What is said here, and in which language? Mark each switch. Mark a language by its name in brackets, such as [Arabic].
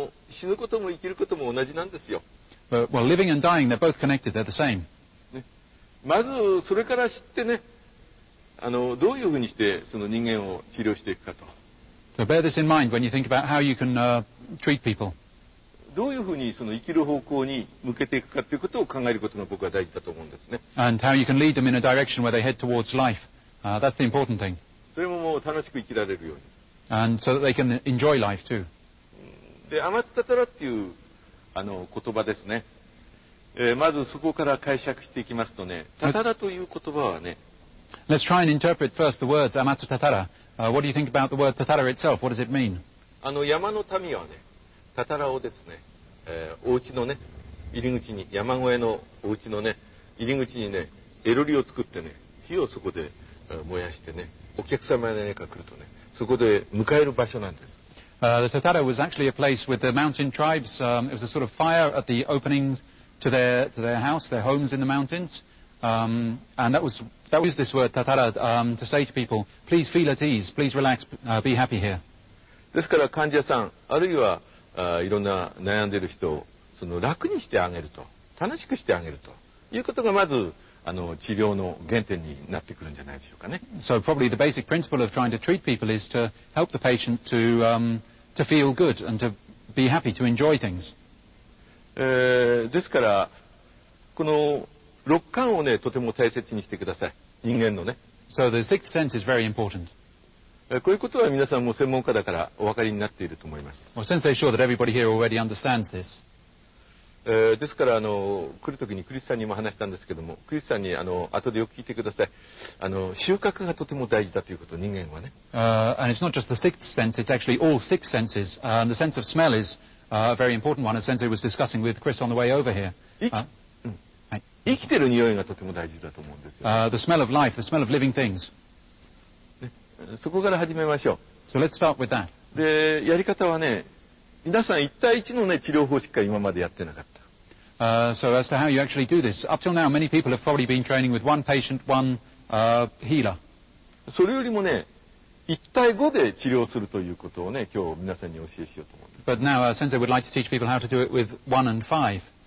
[Japanese] 死ぬことも生きることも同じなんですよ。 [English] Well, living and dying, they're both connected, they're the same.、ね、 [Japanese] まずそれから知ってね、どういうふうにしてその人間を治療していくかと。 [English] So bear this in mind when you think about how you can treat people. [Japanese] どういうふうにその生きる方向に向けていくかということを考えることが僕は大事だと思うんですね。 [English] And how you can lead them in a direction where they head towards life. That's the important thing. [Japanese] それももう楽しく生きられるように。 [English] And so that they can enjoy life too. [Japanese] で、アマツタタラっていう言葉ですね、まずそこから解釈していきますとね、タタラという言葉はね。 [English] Let's try and interpret first the words アマツタタラ。 What do you think about the word タタラ itself? What does it mean? [Japanese] 山の民はね、タタラをですね、お家のね、入り口に、山小屋のお家のね、入り口にね、エロリを作ってね、火をそこで燃やしてね、お客様やねが来るとね、そこで迎える場所なんです。 [English] The Tatara was actually a place with the mountain tribes.、It was a sort of fire at the opening to their house, their homes in the mountains.、And that was this word, Tatara,、to say to people, please feel at ease, please relax,、be happy here. [Japanese] ですから患者さん、あるいはいろんな悩んでいる人をその楽にしてあげると、楽しくしてあげるということがまず治療の原点になってくるんじゃないでしょうかね。 [English] So probably the basic principle of trying to treat people is to help the patient to, to feel good and to be happy, to enjoy things.、 [Japanese] ですから、この六感をね、とても大切にしてください。人間のね。 [English] So the sixth sense is very important. [Japanese] こういうことは皆さんも専門家だからお分かりになっていると思います。 [English] Well, Sensei is sure that everybody here already understands this. [Japanese] ですから来るときにクリスさんにも話したんですけども、クリスさんに後でよく聞いてください。収穫がとても大事だということ、人間はね。 [English] And it's not just the sixth sense, it's actually all six senses. And the sense of smell is a very important one, as Sensei was discussing with Chris on the way over here. [Japanese] はい、生きてる匂いがとても大事だと思うんですよ。 [English] The smell of life, the smell of living things. [Japanese] そこから始めましょう。 [English] So let's start with that. [Japanese] で、やり方はね、皆さん1対1の、ね、治療法しか今までやってなかった。 [English] So as to how you actually do this, up till now many people have probably been training with one patient, one healer. [Japanese] それよりもね、1対5で治療するということをね、今日皆さんに教えしようと思うんです。 [English] But now, Sensei would like to teach people how to do it with 1 and 5.